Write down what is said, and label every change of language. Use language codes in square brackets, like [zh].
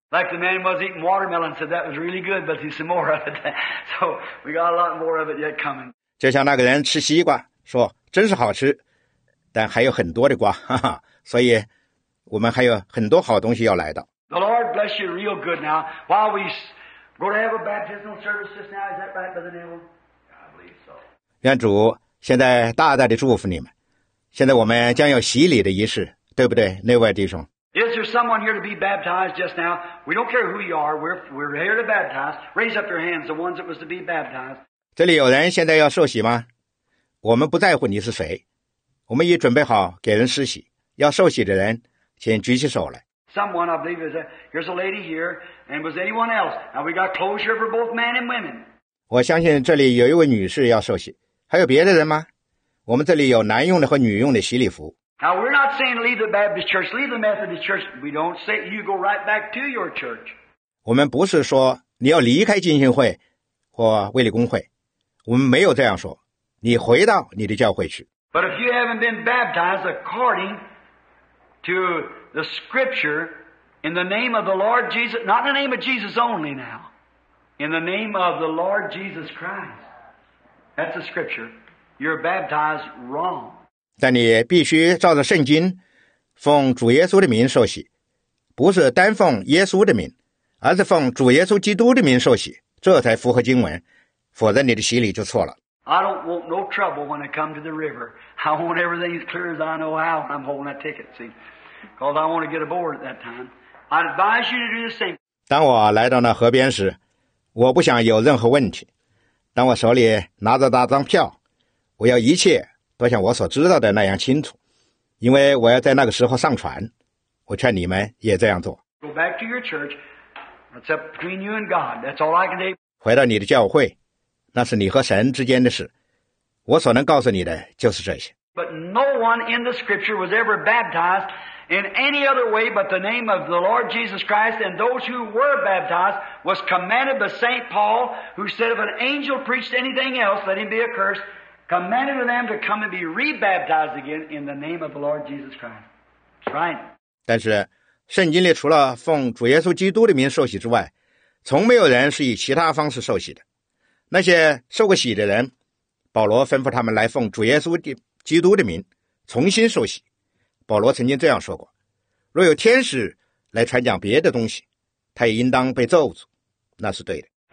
[en] Like the man was eating watermelon, said that was really good, but there's some more of it. So we got a lot more of it yet coming. [zh] 就像那个人吃西瓜说真是好吃，但还有很多的瓜，所以我们还有很多好东西要来的。 [en] The Lord bless you real good now. While we... Go to have a baptismal service just now. Is that right, Brother Neville? I believe so. [zh] 愿主现在大大的祝福你们，现在我们将要洗礼的仪式，对不对，那位弟兄？ [en] Is there someone here to be baptized just now? We don't care who you are. We're here to baptize. Raise up your hands, the ones that was to be baptized. [zh] 这里有人现在要受洗吗？我们不在乎你是谁，我们已准备好给人施洗。要受洗的人，请举起手来。 [en] Someone, I believe, here's a lady here, and was anyone else? Now we got closure for both men and women. [zh] 我相信这里有一位女士要受洗，还有别的人吗？我们这里有男用的和女用的洗礼服。 [en] Now we're not saying leave the Baptist church, leave the Methodist church. We don't say you go right back to your church. [zh] 我们不是说你要离开浸信会或卫理公会，我们没有这样说。你回到你的教会去。 [en] But if you haven't been baptized according to the Scripture in the name of the Lord Jesus, not in the name of Jesus only now, in the name of the Lord Jesus Christ, that's the Scripture. You're baptized wrong. [zh] 但你必须照着圣经，奉主耶稣的名受洗，不是单奉耶稣的名，而是奉主耶稣基督的名受洗，这才符合经文，否则你的洗礼就错了。 [en] I don't want no trouble when I come to the river. I want everything as clear as I know how when I'm holding a ticket, see? Because I want to get aboard at that time. I advise you to do the same. [zh] 当我来到那河边时，我不想有任何问题。当我手里拿着那张票，我要一切都像我所知道的那样清楚，因为我要在那个时候上船。我劝你们也这样做。 [en] Go back to your church. That's up between you and God. That's all I can do. [zh] 回到你的教会。那是你和神之间的事，我所能告诉你的就是这些。 [en] But no one in the Scripture was ever baptized in any other way but the name of the Lord Jesus Christ. And those who were baptized was commanded by Saint Paul, who said, "If an angel preached anything else, let him be accursed." Commanded them to come and be rebaptized again in the name of the Lord Jesus Christ. Right. [zh] 但是，圣经里除了奉主耶稣基督的名受洗之外，从没有人是以其他方式受洗的。那些受过洗的人，保罗吩咐他们来奉主耶稣基督的名重新受洗。保罗曾经这样说过，若有天使来传讲别的东西，他也应当被咒诅，那是对的。